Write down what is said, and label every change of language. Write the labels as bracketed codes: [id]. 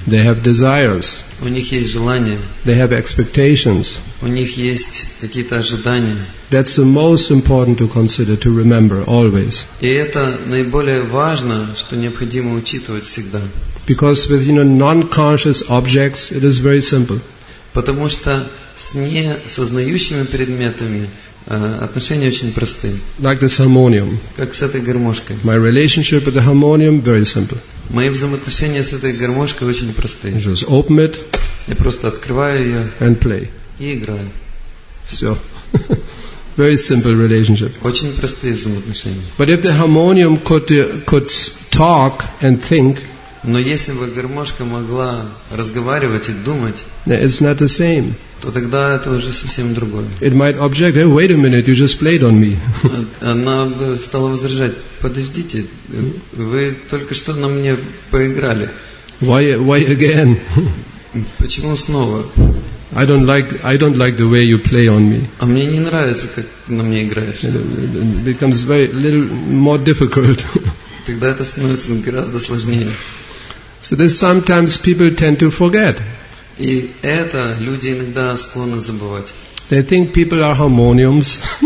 [en] They have desires. [ru] У них есть желания. [en] They have expectations. [ru] У них есть какие-то ожидания. [en] That's the most important to consider, to remember always. [ru] И это наиболее важно, что необходимо учитывать всегда. [en] Because with non-conscious objects, it is very simple. [ru] Потому что с неосознающими предметами отношения очень просты. [en] Like this harmonium. [ru] Как с этой гармошкой. [en] My relationship with the harmonium very simple. [ru] Мои взаимоотношения с этой гармошкой очень просты. [en] Just open it. [ru] Я просто открываю ее. [en] And play. [ru] И играю. Все. [en] Very simple relationship. [ru] Очень простые взаимоотношения. [en] But if the harmonium could talk and think. [ru] Но если бы гармошка могла разговаривать и думать. [en] It's not the same. [ru] То тогда это уже совсем другое. [en] It might object, hey, wait a minute, you just played on me. [ru] Она бы стала возражать, подождите, вы только что на мне поиграли. [en] Why again? [ru] Почему снова? [en] I don't like the way you play on me. [ru] А мне не нравится, как на мне играешь. [en] It becomes very little more difficult. [ru] Тогда это становится гораздо сложнее. [en] So this sometimes people tend to forget. [ru] И это люди иногда склонны забывать. [en] They think people are harmoniums.